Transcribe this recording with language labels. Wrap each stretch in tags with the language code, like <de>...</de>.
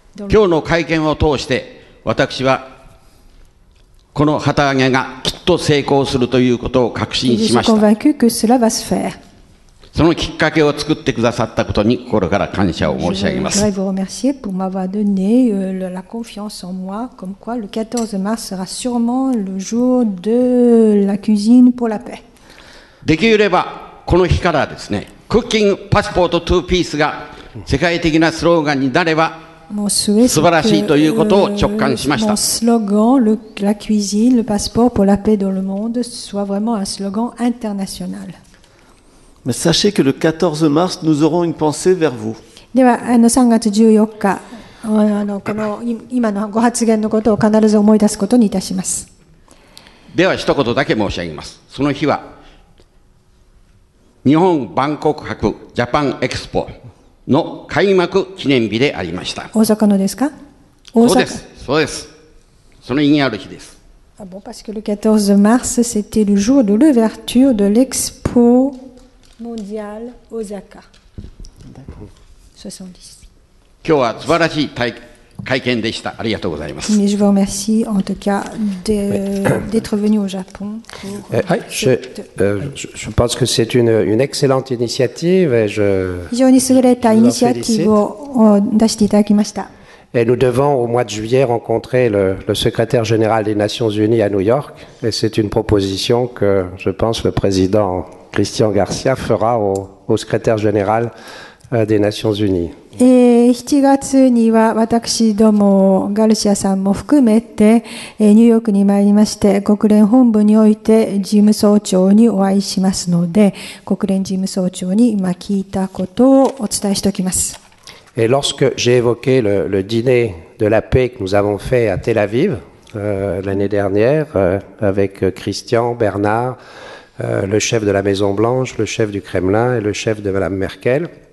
<ja>今日の会見を通して私はこの旗揚げがきっと成功するということを確信しました。</ja> <fr>je suis convaincu que cela va se faire。</fr> <ja>そのきっかけを作ってくださったことに心から感謝を申し上げます。</ja> <fr>je voudrais vous remercier pour m'avoir donné la confiance en moi comme quoi le 14 mars sera sûrement le jour de la cuisine pour la paix。</fr> <ja>できればこの日からですね、クッキングパスポート2ピースが世界的なスローガンになれば素晴らしいということを直感しました。</ja> <fr>Mon slogan, la cuisine, le passeport pour la paix dans le monde soit vraiment un slogan international. Mais sachez que le 14 mars, nous aurons une pensée vers vous.</fr> <ja>では、3月14日、この今のご発言のことを必ず思い出すことにいたします。では、一言だけ申し上げます。その日は、日本万国博ジャパンエクスポ。の開幕記念日でありました。大阪のですか。そうです、そうです、その意義ある日です。</ja> <fr>ah bon, parce que le 14 mars c'était le jour de l'ouverture de l'expo mondiale Osaka 70。</fr> <ja>今日は素晴らしい会見でした。ありがとうございます。</ja> <fr>Mais je vous remercie en tout cas d'être venu au Japon pour je pense que c'est une excellente initiative et je</fr> <ja>非常に優れた initiative を出していただきました。</ja> <fr>Et nous devons au mois de juillet rencontrer le secrétaire général des Nations Unies à New York et c'est une proposition que je pense le président Christian Garcia fera au secrétaire général des Nations Unies。</fr> <ja>7月には私どもガルシアさんも含めてニューヨークに参りまして、国連本部において事務総長にお会いしますので、国連事務総長に今聞いたことをお伝えしておきます。</ja> <fr>Et lorsque j'ai évoqué le dîner de la paix que nous avons fait à Tel Aviv l'année dernière avec Christian, Bernard, le chef de la Maison Blanche, le chef du Kremlin et le chef de Madame Merkel。</fr>